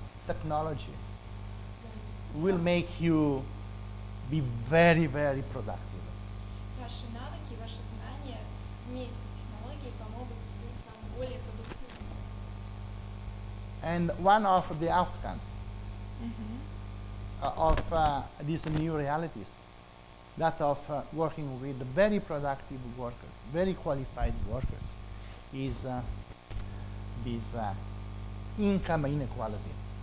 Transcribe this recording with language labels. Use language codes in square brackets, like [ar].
[en] technology will make you be very, very productive. [ru] Ваши навыки, ваши знания вместе с технологией помогут быть вам более продуктивным. [en] And one of the outcomes of these new realities, that of working with very productive workers, very qualified workers, is this income inequality.